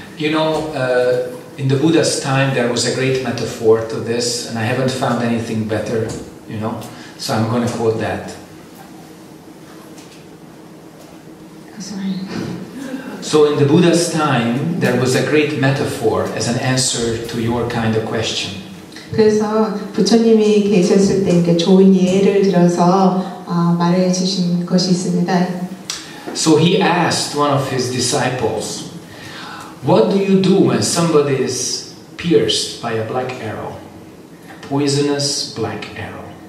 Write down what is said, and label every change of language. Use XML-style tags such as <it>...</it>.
<en>You know, in the Buddha's time, there was a great metaphor to this, and I haven't found anything better, you know, so I'm going to quote that. So in the Buddha's time, there was a great metaphor as an answer to your kind of question.</en> <ko>그래서 부처님이 계셨을 때 이렇게 좋은 예를 들어서 말해 주신 것이 있습니다.</ko> <en>So he asked one of his disciples, "What do you do when somebody is pierced by a black arrow, a poisonous black arrow?"</en>